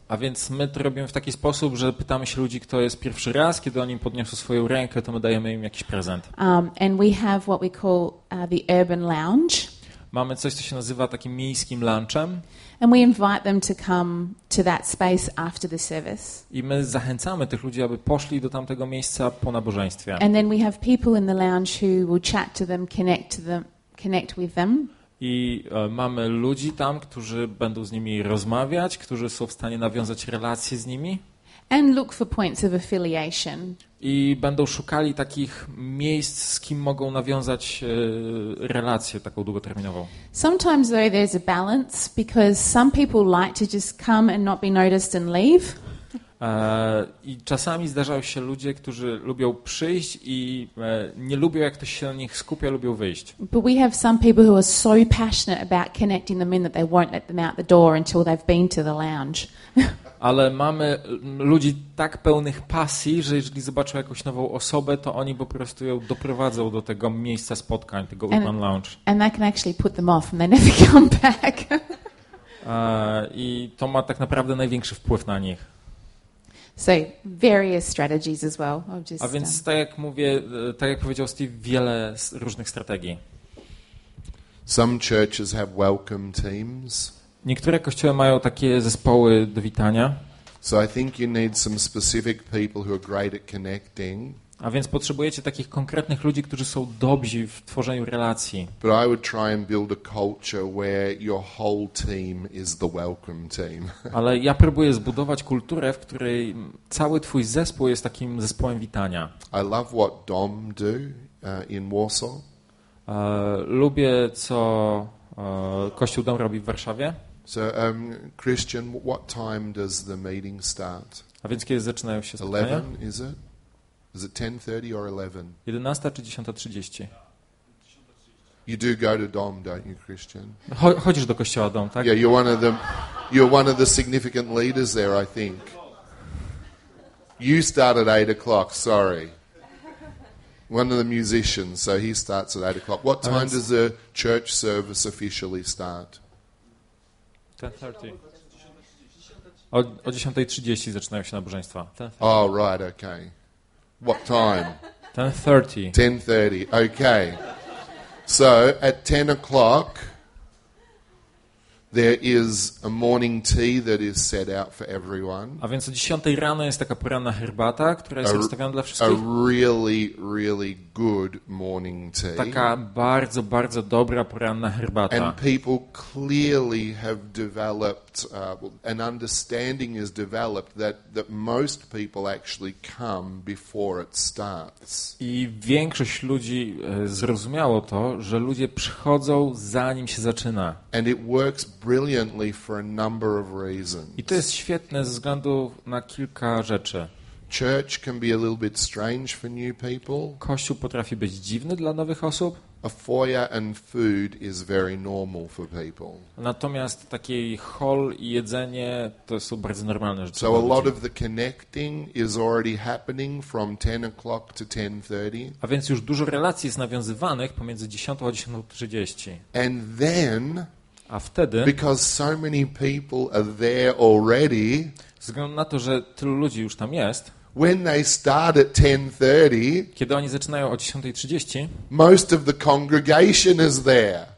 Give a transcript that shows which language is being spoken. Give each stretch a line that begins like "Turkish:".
Polish: A więc my to robimy w taki sposób, że pytamy się ludzi, kto jest pierwszy raz, kiedy oni podniosą swoją rękę, to my dajemy im jakiś prezent.
English: And we have what we call the urban lounge.
Polish: Mamy coś, co się nazywa takim miejskim lunchem.
English: And we invite them to come to that space after the service.
Polish: I my zachęcamy tych ludzi, aby poszli do tamtego miejsca po nabożeństwie.
English: And then we have people in the lounge who will chat to them, connect with them.
Polish: I mamy ludzi tam, którzy będą z nimi rozmawiać, którzy są w stanie nawiązać relacje z nimi.
English: And look for points of affiliation.
Polish: I będą szukali takich miejsc, z kim mogą nawiązać relację taką długoterminową.
English: Sometimes though there's a balance because some people like to just come and not be noticed and leave.
Polish: I czasami zdarzają się ludzie, którzy lubią przyjść i nie lubią, jak ktoś się na nich skupia, lubią wyjść.
English: But we have some people who are so passionate about connecting them in that they won't let them out the door until they've been to the lounge.
Polish: Ale mamy ludzi tak pełnych pasji, że jeżeli zobaczą jakąś nową osobę, to oni po prostu ją doprowadzą do tego miejsca spotkań, tego urban lounge.
English: And that can actually put them off and they never come back.
Polish: I to ma tak naprawdę największy wpływ na nich.
English: So various strategies as well. I've just,
Polish: a więc tak jak mówię, tak jak powiedział Steve, wiele różnych strategii.
English: Some churches have welcome teams.
Polish: Niektóre kościoły mają takie zespoły do witania.
English: So I think you need some specific people who are great at connecting.
Polish: A więc potrzebujecie takich konkretnych ludzi, którzy są dobrzy w tworzeniu relacji.
English: But I would try and build a culture where your whole team is the welcome team.
Polish: Ale ja próbuję zbudować kulturę, w której cały twój zespół jest takim zespołem witania.
English: I love what Dom do in Warsaw.
Polish: Lubię co Kościół Dom robi w Warszawie.
English: So Christian, what time does the meeting start?
Polish: A więc kiedy zaczynają się spotkania?
English: 11 is it? Is it 10:30 or 11?
Polish: 11 czy 10:30?
English: You do go to Dom, don't you, Christian?
Polish: Chodzisz do kościoła Dom, tak?
English: Yeah, you're one of the significant leaders there, I think. You start at 8:00, sorry. One of the musicians, so he starts at 8:00. What time does the church service officially start? 10:30.
Polish: O 10:30 zaczynają się nabożeństwa.
English: Oh, right, okay. What time? 10:30. 10:30, okay. So, at 10 o'clock, there is a morning tea that is set out for everyone.
Polish: A więc o 10 rano jest taka poranna herbata, która jest rozstawiona dla wszystkich.
English: A really, really good morning tea.
Polish: Taka bardzo, bardzo dobra poranna herbata.
English: And people clearly have developed, an understanding is developed that most people actually come before it starts.
Polish: I większość ludzi zrozumiało to, że ludzie przychodzą zanim się zaczyna.
English: And it works brilliantly for a number of reasons.
Polish: I to jest świetne ze względu na kilka rzeczy.
English: Church can be a little bit strange for new people.
Polish: Kościół potrafi być dziwny dla nowych osób.
English: A foyer and food is very normal for people.
Polish: Natomiast taki hall i jedzenie to są bardzo normalne rzeczy.
English: So a lot of the connecting is already happening from 10 o'clock to 10:30.
Polish: A więc już dużo relacji jest nawiązywanych pomiędzy 10 a 10:30.
English: And then
Polish: a wtedy,
English: because so many people are there already,
Polish: ze względu na to, że tylu ludzi już tam jest,
English: when they start at 10:30,
Polish: kiedy oni zaczynają o 10:30,
English: most of the congregation is there.